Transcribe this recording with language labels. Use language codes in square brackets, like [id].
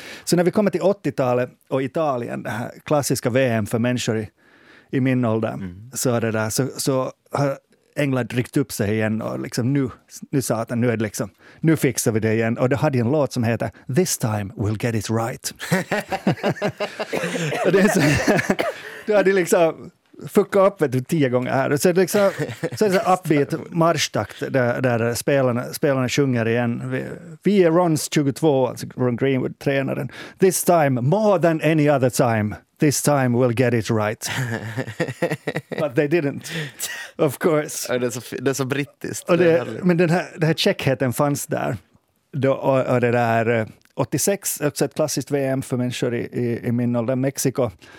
[sv] Så när vi kommer till 80-talet och Italien, det här klassiska VM för människor i min ålder, mm, så är det där, så har England ryckt upp sig igen och liksom nu sa att nu är det liksom, nu fixar vi det igen, och då hade en låt som heter This Time We'll Get It Right. Så, då hade liksom fuckat upp det 10 gånger här, så liksom så är det upbeat marschtakt där spelarna sjunger igen. Vi är Ron's 22, alltså Ron Greenwood tränaren. [en] This time more than any other time. This time we'll get it right. But they didn't, of course. [sv] Det är så brittiskt. Och det, men den här checkheten fanns där. Då, och det där 86, också ett klassiskt VM för människor i min ålder, Mexiko.